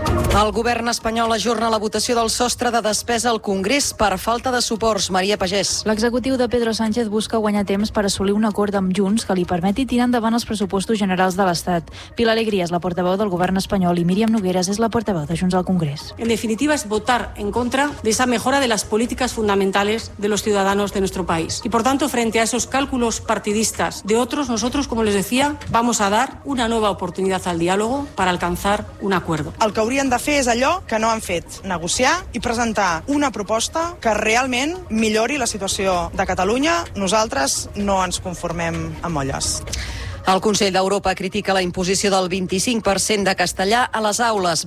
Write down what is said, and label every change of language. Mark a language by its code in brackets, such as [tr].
[ca] El govern espanyol ajorna la votació del sostre de despesa al Congrés per falta de suports. Maria Pagès. L'executiu de Pedro Sánchez busca guanyar temps per assolir un acord amb Junts que li permeti tirar endavant els pressupostos generals de l'Estat. Pilar Alegría és la portaveu del govern espanyol i Míriam Nogueras és la portaveu de Junts al Congrés. [es] En definitiva, es votar en contra de esa mejora de las políticas fundamentales de los ciudadanos de nuestro país. Y por tanto, frente a esos cálculos partidistas de otros, nosotros, como les decía, vamos a dar una nueva oportunidad al diálogo para alcanzar un acuerdo. [ca] El que haurien de fer és allò que no han fet, negociar i presentar una proposta que realment millori la situació de Catalunya. Nosaltres no ens conformem amb olles. El Consell d'Europa critica la imposició del 25% de castellà a les aules.